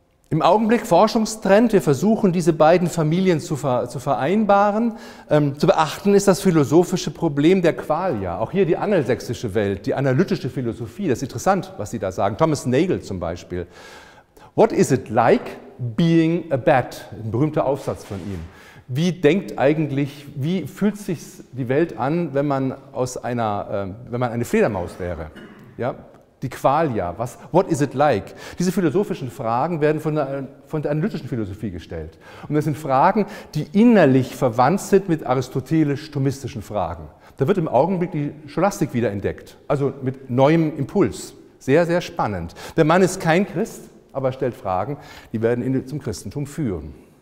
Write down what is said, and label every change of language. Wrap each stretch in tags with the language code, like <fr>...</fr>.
<de>Im Augenblick Forschungstrend, wir versuchen diese beiden Familien zu vereinbaren. Zu beachten ist das philosophische Problem der Qualia. Auch hier die angelsächsische Welt, die analytische Philosophie, das ist interessant, was Sie da sagen. Thomas Nagel zum Beispiel.</de> <en>What is it like being a bat?</en> <de>Ein berühmter Aufsatz von ihm. Wie denkt eigentlich, wie fühlt sich die Welt an, wenn man wenn man eine Fledermaus wäre? Ja?</de> <en>Die Qualia, what is it like?</en> <de>Diese philosophischen Fragen werden von der analytischen Philosophie gestellt. Und das sind Fragen, die innerlich verwandt sind mit aristotelisch-thomistischen Fragen. Da wird im Augenblick die Scholastik wieder entdeckt, also mit neuem Impuls. Sehr, sehr spannend. Der Mann ist kein Christ, aber er stellt Fragen, die werden ihn zum Christentum führen.</de>